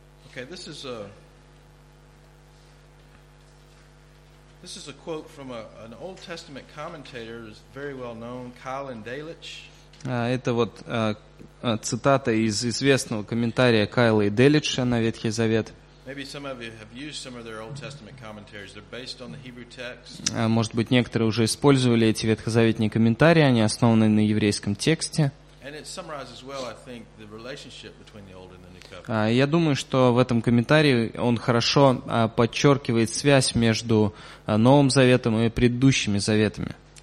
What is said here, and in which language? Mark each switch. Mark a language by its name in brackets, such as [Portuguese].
[English] Okay, this is a quote from an Old Testament commentator, who's very well known, Colin Delitzsch. [Russian] Это вот цитата из известного комментария Кайла Делитша на Ветхий Завет. [English] Maybe some of you have used some of their Old Testament commentaries. They're based on the Hebrew text. [Russian] Может быть, некоторые уже использовали эти ветхозаветные комментарии, они основаны на еврейском тексте. [English] And it summarizes well, I think, the relationship between the Old and the New Covenant. [Russian] Я думаю, что в этом комментарии он хорошо подчеркивает связь между Новым Заветом и предыдущими заветами.